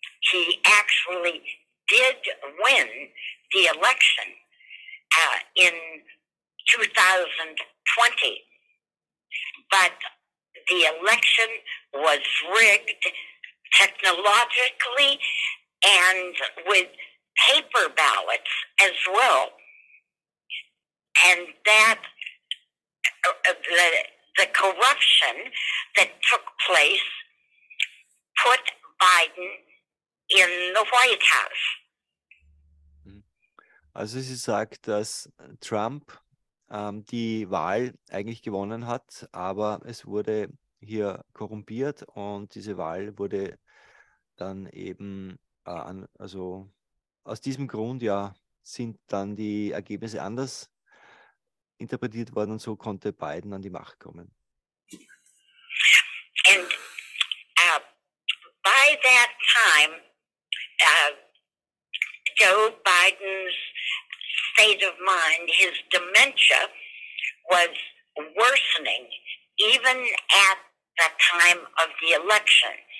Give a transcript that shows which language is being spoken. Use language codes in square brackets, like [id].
[en] He actually did win the election in 2020, but the election was rigged technologically and with paper ballots as well. And that the corruption that took place put Biden in the White House. [de] Also sie sagt, dass Trump die Wahl eigentlich gewonnen hat, aber es wurde hier korrumpiert und diese Wahl wurde dann eben an, also aus diesem Grund ja sind dann die Ergebnisse anders interpretiert worden und so konnte Biden an die Macht kommen. [en] And by that time, Joe Biden's state of mind, his dementia was worsening even at the time of the election.